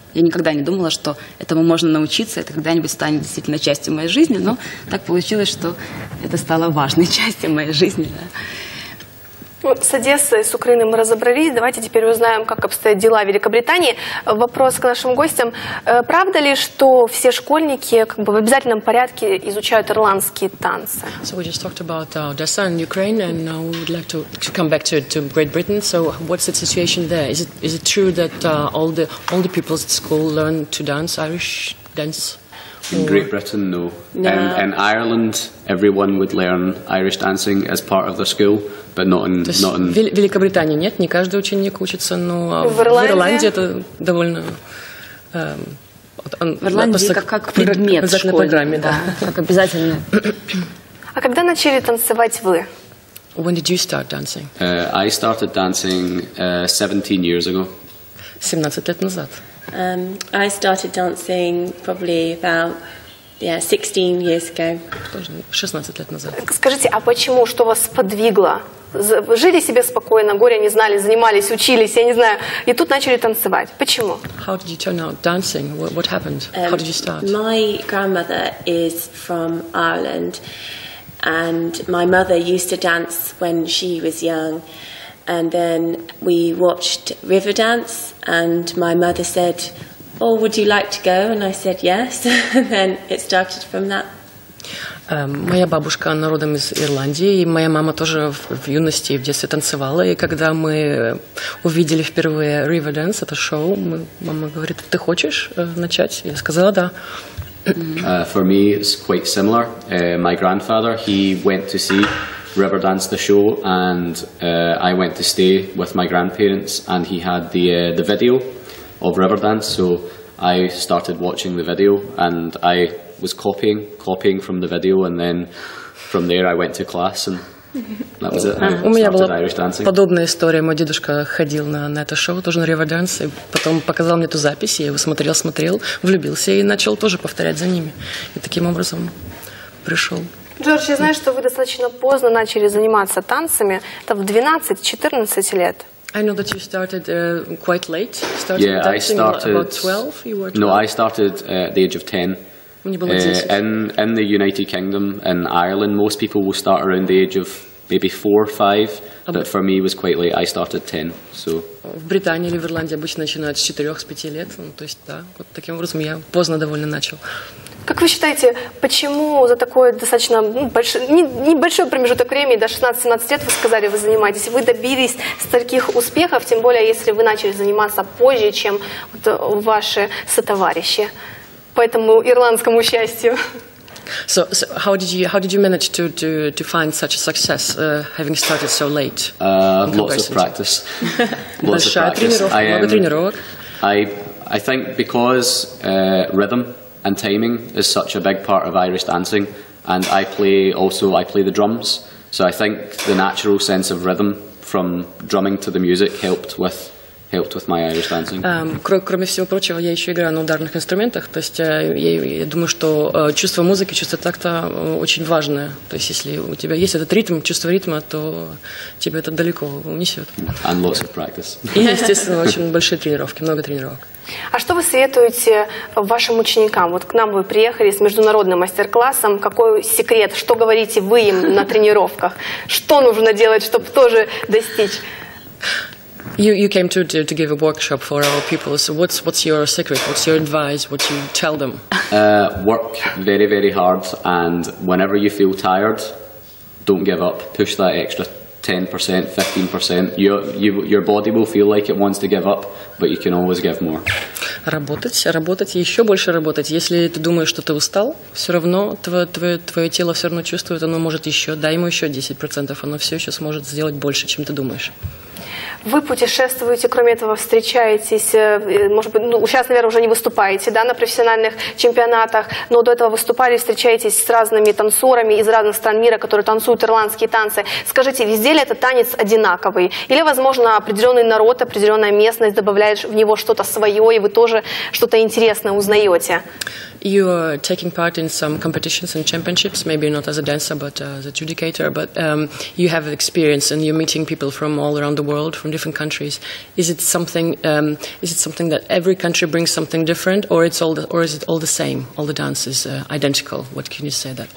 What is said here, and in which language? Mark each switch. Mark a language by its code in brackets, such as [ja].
[ru] Я никогда не думала, что этому можно научиться, это когда-нибудь станет действительно частью моей жизни, но так получилось, что это стало важной частью моей жизни. Да. Вот с Одессой, с Украиной мы разобрались, давайте теперь узнаем, как обстоят дела в Великобритании. Вопрос к нашим гостям. Правда ли, что все школьники как бы в обязательном порядке изучают ирландские танцы? [en] So we just talked about Odessa and Ukraine, and now we would like to come back to Great Britain. So what's the situation there? Is it true that all the pupils at school learn to dance, Irish dance? In Great Britain, no. No. In Ireland, everyone would learn Irish dancing as part of their school, but not in... [ru] То есть в Великобритании нет, не каждый ученик учится, но в Ирландии это довольно... В Ирландии как предмет в школьной программе, да. Как обязательно. А когда начали танцевать вы? [en] When did you start dancing? I started dancing 17 years ago. [ru] 17 лет назад. [en] I started dancing probably about 16 years ago. [ru] 16 лет назад. Скажите, а почему, что вас сподвигло? Жили себе спокойно, горя не знали, занимались, учились, я не знаю, и тут начали танцевать. Почему? [en] How did you turn out dancing? What happened? How did you start? My grandmother is from Ireland. And my mother used to dance when she was young. And then we watched Riverdance. And my mother said, oh, would you like to go? And I said, yes. And then it started from that. [ru] Моя бабушка родом из Ирландии, и моя мама тоже в юности и в детстве танцевала. И когда мы увидели впервые Riverdance, это шоу, мама говорит, ты хочешь начать? Я сказала, да. [en] For me, it's quite similar. My grandfather, he went to see Riverdance, the show, and I went to stay with my grandparents, and he had the video of Riverdance, so I started watching the video, and I was copying from the video, and then from there I went to class, and that was it. [ru] У меня была подобная история. Мой дедушка ходил на это шоу, тоже на Riverdance, и потом показал мне эту запись, я его смотрел, влюбился и начал тоже повторять за ними. И таким образом пришел. Джордж, я знаю, что вы достаточно поздно начали заниматься танцами. Это в 12-14 лет. [en] I know that you started quite late. Started dancing about 12, you were 12? No, I started at the age of 10. In the United Kingdom and Ireland, most people will start around the age of maybe 4 or 5, but for me it was quite late. I started 10. So. [ru] В Британии или в Ирландии обычно начинают с 4-5 лет. Ну, то есть, да, вот таким образом я поздно довольно начал. Как вы считаете, почему за такой достаточно небольшой промежуток времени, до 16-17 лет, вы сказали, вы занимаетесь, вы добились таких успехов, тем более, если вы начали заниматься позже, чем вот ваши сотоварищи? Поэтому ирландскому счастью. [en] So how did you manage to find such a success having started so late? Lots of practice. [ru] Большая тренировка, много тренировок. [en] I think because rhythm and timing is such a big part of Irish dancing, and I play the drums. So I think the natural sense of rhythm from drumming to the music helped with my Irish dancing. [ru] Кроме всего прочего, я еще играю на ударных инструментах. То есть я думаю, что чувство музыки, чувство такта очень важное. То есть если у тебя есть этот ритм, чувство ритма, то тебя это далеко унесет. [en] And lots of practice. [ru] И, естественно, очень большие тренировки, много тренировок. А что вы советуете вашим ученикам? Вот к нам вы приехали с международным мастер-классом. Какой секрет? Что говорите вы им на тренировках? Что нужно делать, чтобы тоже достичь? [en] You came to give a workshop for our pupils. What's your secret? What's your advice? What you tell them? Work very, very hard, and whenever you feel tired, don't give up. Push that extra 10%, 15%. Your body will feel like it wants to give up, but you can always give more. [ru] Работать, еще больше работать. Если ты думаешь, что ты устал, все равно твое тело все равно чувствует, оно может еще, дай ему еще 10%, оно все еще сможет сделать больше, чем ты думаешь. Вы путешествуете, кроме этого, встречаетесь, может быть, ну, сейчас, наверное, уже не выступаете, да, на профессиональных чемпионатах, но до этого выступали, встречаетесь с разными танцорами из разных стран мира, которые танцуют ирландские танцы. Скажите, везде ли этот танец одинаковый? Или, возможно, определенный народ, определенная местность добавляет в него что-то свое, и вы тоже что-то интересное узнаете? [en] You are taking part in some competitions and championships, maybe not as a dancer, but as a adjudicator, but you have experience and you're meeting people from all around the world, from different countries. Is it something that every country brings something different, or is it all the same, all the dances identical? What can you say that?